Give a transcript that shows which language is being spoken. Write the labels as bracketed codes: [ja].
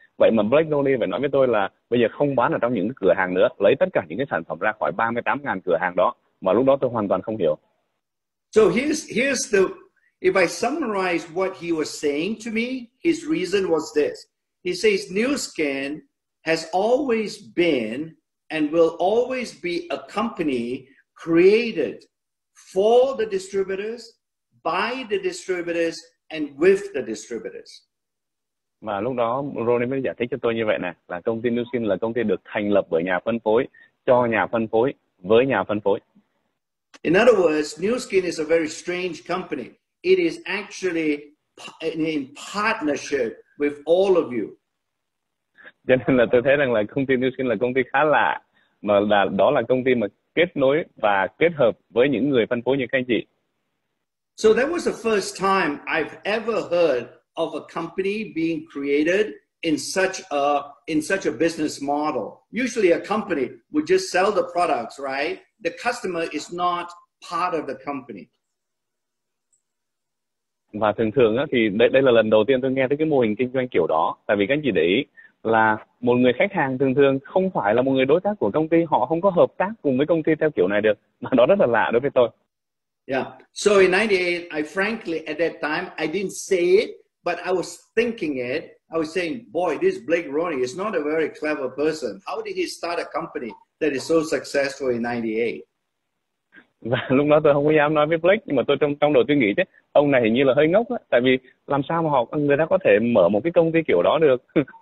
[vi] Vậy mà Blake Roney phải nói với tôi là bây giờ không bán ở trong những cửa hàng nữa, lấy tất cả những cái sản phẩm ra khỏi 38,000 cửa hàng đó. Mà lúc đó tôi hoàn toàn không hiểu. [en] So here's the, if I summarize what he was saying to me, his reason was this. He says New Skin has always been and will always be a company created for the distributors, by the distributors, and with the distributors. [vi] Mà lúc đó Ronnie mới giải thích cho tôi như vậy nè, là công ty New Skin là công ty được thành lập bởi nhà phân phối, cho nhà phân phối, với nhà phân phối. [en] In other words, New Skin is a very strange company. It is actually in partnership with all of you. [vi] Cho nên là tôi thấy rằng là công ty New Skin là công ty khá lạ, mà là đó là công ty mà kết nối và kết hợp với những người phân phối như các anh chị. [en] So that was the first time I've ever heard of a company being created in such a business model. Usually a company would just sell the products, right? The customer is not part of the company. [vi] Và thường thường á, thì đây là lần đầu tiên tôi nghe tới cái mô hình kinh doanh kiểu đó. Tại vì các anh chị để ý là một người khách hàng thường thường không phải là một người đối tác của công ty, họ không có hợp tác cùng với công ty theo kiểu này được. Mà đó rất là lạ đối với tôi. Yeah. [en] So in 98, I frankly, at that time, I didn't say it, but I was thinking it. I was saying, boy, this Blake Roney is not a very clever person. How did he start a company that is so successful in 98? [vi] Và lúc đó tôi không có dám nói với Blake, nhưng mà tôi trong đầu tôi nghĩ chứ, ông này hình như là hơi ngốc á, tại vì làm sao mà người ta có thể mở một cái công ty kiểu đó được.